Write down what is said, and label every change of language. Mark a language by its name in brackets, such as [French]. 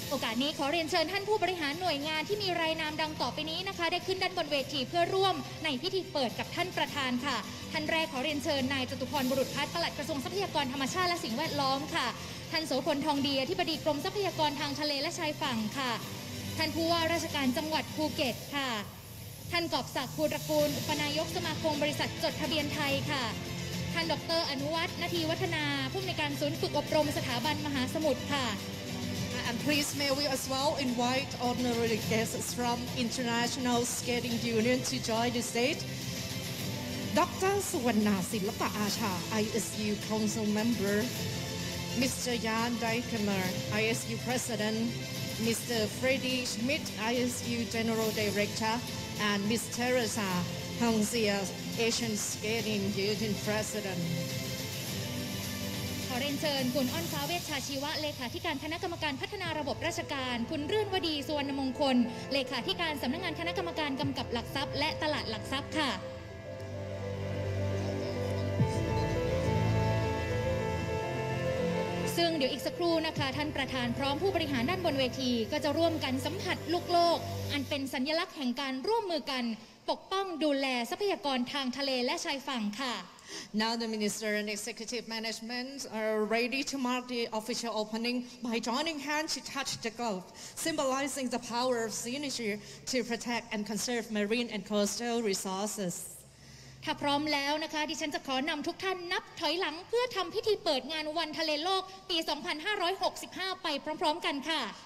[Thai] โอกาสนี้ขอเรียนเชิญท่านผู้บริหารหน่วยงานที่มีรายนามดังต่อไปนี้นะคะได้ขึ้นด้านบนเวทีเพื่อร่วมในพิธีเปิดกับท่านประธานค่ะท่านแรกขอเรียนเชิญนายจตุพรบุรุษพัฒน์ปลัดกระทรวงทรัพยากรธรรมชาติและสิ่งแวดล้อมค่ะท่านโสพลทองดีอธิบดีกรมทรัพยากรทางทะเลและชายฝั่งค่ะท่านผู้ว่าราชการจังหวัดภูเก็ตค่ะท่านกอบศักดิ์ภูตระกูลอุปนายกสมาคมบริษัทจดทะเบียนไทยค่ะท่านดร. อนุวัฒน์ ณทีวัฒนาผู้อำนวยการศูนย์ฝึกอบรมสถาบันมหาสมุทรค่ะ [English] And please may we as well invite honorary guests from International Skating Union to join the stageดร. สุวรรณาศิลปะอาชา ISU Council Member Mr. Jan Dijkhammer ISU President Mr. Freddy Schmidt ISU General Director and Ms. Teresa Hongzia Asian Skating Union President [Thai] ขอเรียนเชิญคุณอ้นฟ้าเวชชาชีวะเลขาธิการคณะกรรมการพัฒนาระบบราชการคุณรื่นวดีสุวรรณมงคลเลขาธิการสำนักงานคณะกรรมการกำกับหลักทรัพย์และตลาดหลักทรัพย์ค่ะซึ่งเดี๋ยวอีกสักครู่นะคะท่านประธานพร้อมผู้บริหารด้านบนเวทีก็จะร่วมกันสัมผัสลูกโลกอันเป็นสัญลักษณ์แห่งการร่วมมือกันปกป้องดูแลทรัพยากรทางทะเลและชายฝั่งค่ะ [English] Now the Minister and Executive Management are ready to mark the official opening by joining hands to touch the Gulf symbolizing the power of synergy to protect and conserve marine and coastal resources [Thai] ถ้าพร้อมแล้วนะคะดิฉันจะขอนำทุกท่านนับถอยหลังเพื่อทำพิธีเปิดงานวันทะเลโลกปี2565ไปพร้อมๆกันค่ะ